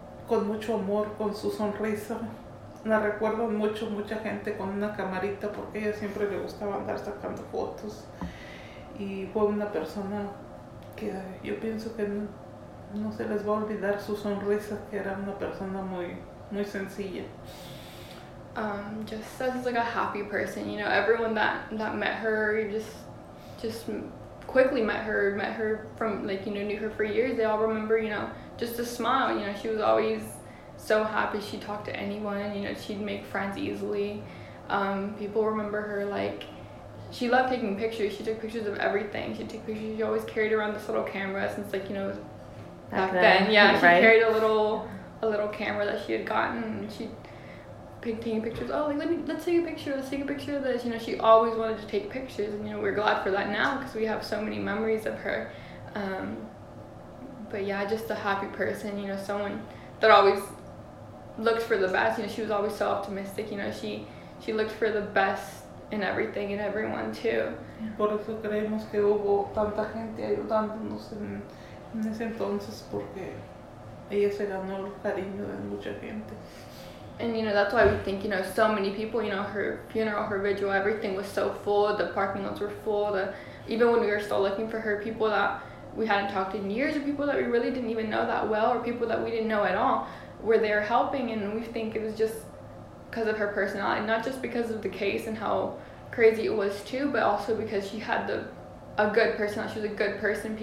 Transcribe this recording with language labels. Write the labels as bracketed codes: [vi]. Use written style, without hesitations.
[es] con mucho amor, con su sonrisa. La recuerdo mucho, mucha gente con una camarita porque ella siempre le gustaba andar sacando fotos. Y fue una persona que yo pienso que no se les va a olvidar su sonrisa, que era una persona muy, muy sencilla. [en] Just as like a happy person, you know, everyone that met her, just quickly met her from, like, you know, knew her for years, they all remember, you know, just a smile. You know, she was always so happy. She'd talk to anyone, you know, she'd make friends easily. People remember her, like, she loved taking pictures. She took pictures of everything. She'd take pictures. She always carried around this little camera since, like, you know, back then. Yeah, right. She carried a little camera that she had gotten, and she'd taking pictures. Oh, like, let's take a picture of this. You know, she always wanted to take pictures, and, you know, we're glad for that now because we have so many memories of her. But yeah, just a happy person, you know, someone that always looked for the best. You know, she was always so optimistic. You know, she looked for the best in everything and everyone too. [es] Por eso creemos que hubo tanta gente ayudándonos en ese entonces, porque ella se ganó el cariño de mucha gente. [en] And, you know, that's why we think, you know, so many people, you know, her funeral, her vigil, everything was so full. The parking lots were full. Even when we were still looking for her, people that we hadn't talked in years, or people that we really didn't even know that well, or people that we didn't know at all, were there helping. And we think it was just because of her personality, not just because of the case and how crazy it was too, but also because she had a good personality. She was a good person.